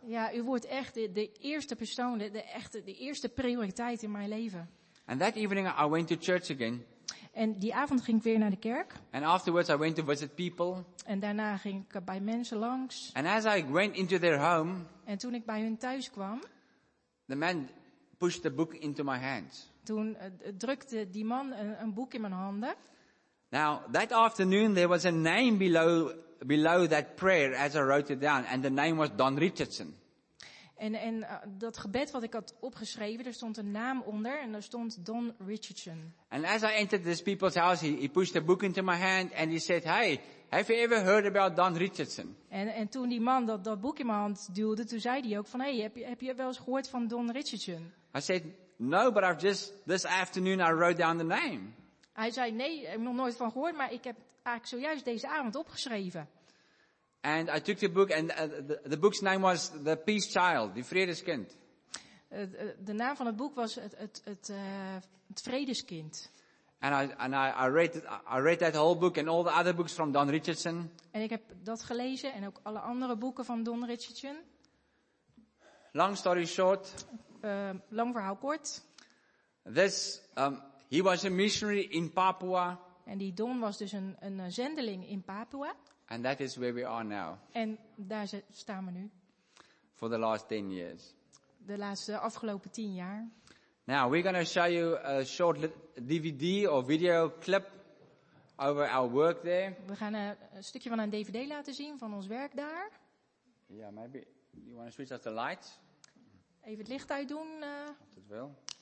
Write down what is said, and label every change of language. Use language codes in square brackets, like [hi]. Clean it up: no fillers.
[nl] Ja, u wordt echt de eerste persoon, de eerste prioriteit in mijn leven. [en] And that evening I went to church again. [nl] En die avond ging ik weer naar de kerk. [en] And afterwards I went to visit people. [nl] En daarna ging ik bij mensen langs. [en] And as I went into their home. [nl] En toen ik bij hun thuis kwam. [en] The man pushed the book into my hands. [nl] Toen drukte die man een boek in mijn handen. [en] Now that afternoon there was a name below that prayer as I wrote it down, and the name was Don Richardson. [nl] En dat gebed wat ik had opgeschreven, er stond een naam onder en daar stond Don Richardson. [en] And as I entered this people's house, he pushed a book into my hand and he said, "Hey, have you ever heard about Don Richardson?" [nl] En toen die man dat boek in mijn hand duwde, toen zei hij ook van, "Hey, heb je wel eens gehoord van Don Richardson?" [en] I said, "No, but I've just this afternoon I wrote down the name." [nl] Hij zei, nee, ik heb nog nooit van gehoord, maar ik heb eigenlijk zojuist deze avond opgeschreven. [en] And I took the book, and the book's name was The Peace Child, the Vredeskind. [nl] De naam van het boek was het Vredeskind. [en] And I read that whole book and all the other books from Don Richardson. [nl] En ik heb dat gelezen en ook alle andere boeken van Don Richardson. [en] Long story short. [nl] Lang verhaal kort. [en] He was a missionary in Papua. [nl] En die Don was dus een zendeling in Papua. [en] And that is where we are now. [nl] En daar staan we nu. [en] For the last 10 years. [nl] De laatste afgelopen 10 jaar. [en] Now we're going to show you a short DVD or video clip over our work there. [nl] We gaan een stukje van een DVD laten zien van ons werk daar. [en] Yeah, maybe you want to switch off the lights. [nl] Even het licht uitdoen. Dat wel.